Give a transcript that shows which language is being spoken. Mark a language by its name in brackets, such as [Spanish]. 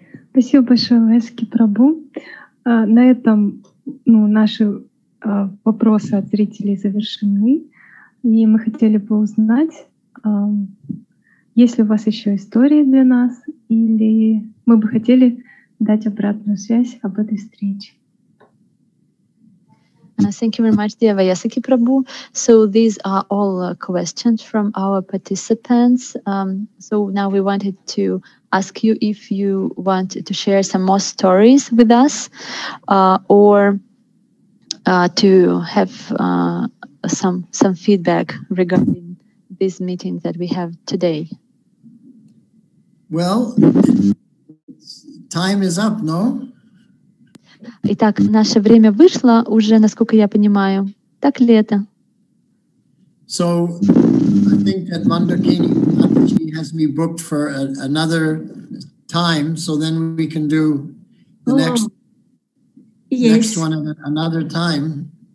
[Russian] Спасибо большое, Васки Прабу. На этом наши вопросы от зрителей завершены. И мы хотели бы узнать, есть ли у вас еще истории для нас, или мы бы хотели дать обратную связь об этой встрече. [English] Thank you very much, dear Vayasaki Prabhu. So these are all questions from our participants. So now we wanted to ask you if you want to share some more stories with us to have some feedback regarding this meeting that we have today. Well, time is up, no? [Russian] Итак, наше время вышло уже, насколько я понимаю. Так ли это? [English] So, I think that Mandakini Mataji has me booked for another time, so then we can do the next one another time.